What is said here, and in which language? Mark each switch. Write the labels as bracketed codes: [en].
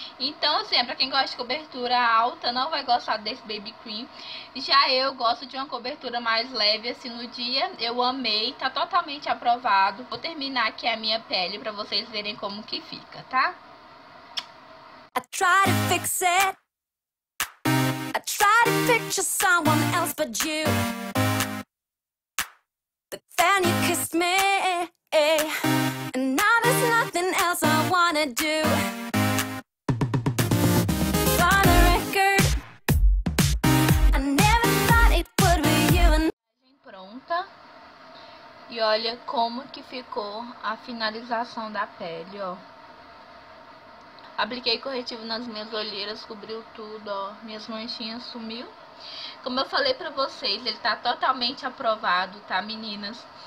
[pt] Então, assim, pra quem gosta de cobertura alta, não vai gostar desse baby cream. Já eu gosto de uma cobertura mais leve, assim, no dia. Eu amei, tá totalmente aprovado. Vou terminar aqui a minha pele pra vocês verem como que fica, tá? [en] I try to fix it. Try to picture someone else but you. But then you kissed me. And now there's nothing else I wanna do. For the record, I never thought it would be you. [pt] Imagem pronta. E olha como que ficou a finalização da pele, ó. Apliquei corretivo nas minhas olheiras, cobriu tudo, ó. Minhas manchinhas sumiu. Como eu falei pra vocês, ele tá totalmente aprovado, tá, meninas?